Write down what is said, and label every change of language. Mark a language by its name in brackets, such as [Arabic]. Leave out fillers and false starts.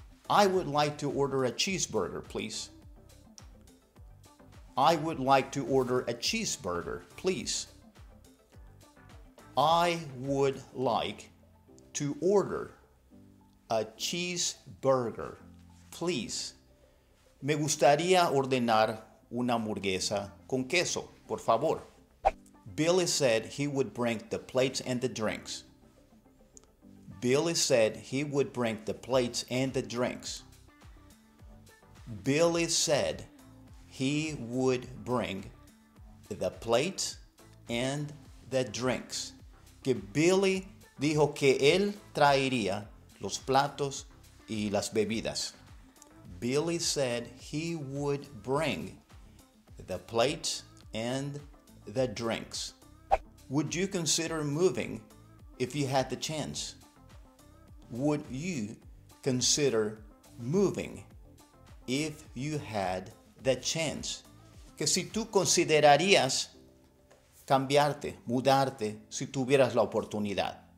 [English] I would like to order a cheeseburger, please. I would like to order a cheeseburger, please. I would like to order a cheeseburger, please. [Spanish] Me gustaría ordenar una hamburguesa con queso, por favor. [English] Billy said he would bring the plates and the drinks. Billy said he would bring the plates and the drinks. Billy said he would bring the plates and the drinks. [Spanish] Que Billy dijo que él traería los platos y las bebidas. [English] Billy said he would bring the plates and the drinks. Would you consider moving if you had the chance? Would you consider moving if you had the chance? [Spanish] Que si tú considerarías cambiarte, mudarte, si tuvieras la oportunidad.